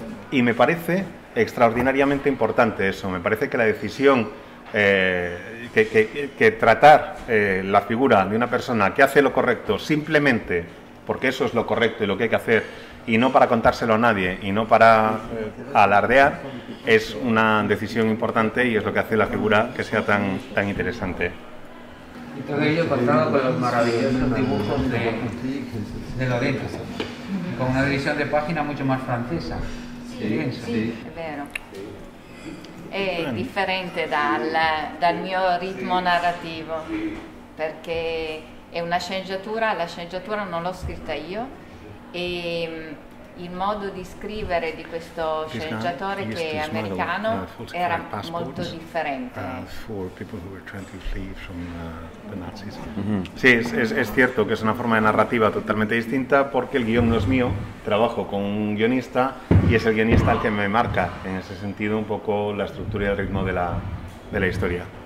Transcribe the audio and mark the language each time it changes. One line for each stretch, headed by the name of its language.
Spanish: Y me parece extraordinariamente importante eso. Me parece que la decisión que tratar la figura de una persona que hace lo correcto simplemente porque eso es lo correcto y lo que hay que hacer, y no para contárselo a nadie y no para alardear, es una decisión importante y es lo que hace la figura que sea tan, tan interesante. Y todo ello contado con los maravillosos dibujos de Lorenzo, con una división de página mucho más francesa.
Italian: Sí, sí, è vero. È differente dal mio ritmo narrativo, perché è una sceneggiatura, la sceneggiatura non l'ho scritta io, e il modo di scrivere di questo sceneggiatore che è americano era molto differente.
English: For people who were trying to flee from the Nazis.
Spanish: Sí, es cierto que es una forma de narrativa totalmente distinta porque el guión no es mío, trabajo con un guionista y es el guionista el que me marca en ese sentido un poco la estructura y el ritmo de la historia.